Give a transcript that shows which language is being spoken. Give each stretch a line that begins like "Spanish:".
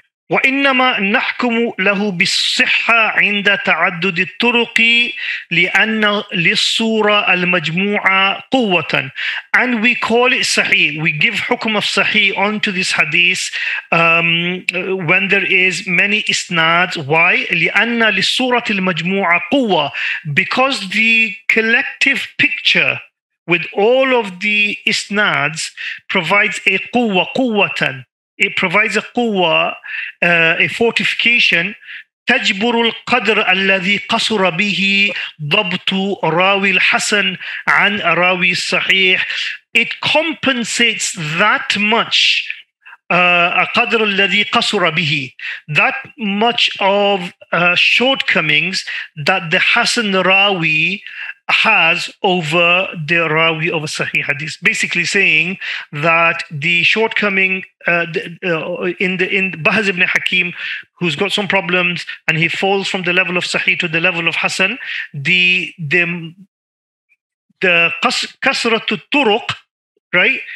Arabic: وإنما نحكم له بالصحة عند تعدد الطرق لأن للصورة المجموعة قوة.
English: And we call it sahih. We give hukum of sahih onto this hadith when there is many isnads. Why?
Arabic: لأن للصورة المجموعة قوة.
English: Because the collective picture with all of the isnads provides a قوة قوة. It provides a quwwa, a fortification.
Arabic: تجبر القدر الذي قصر به ضبط راوي الحسن عن راوي الصحيح.
English: It compensates that much.
Arabic: قدر الذي قصر به.
English: That much of shortcomings that the Hassan Rawi has over the Rawi of a Sahih Hadith, basically saying that the shortcoming in Bahz ibn Hakim, who's got some problems and he falls from the level of Sahih to the level of Hassan, the kasrat al-turuq, right?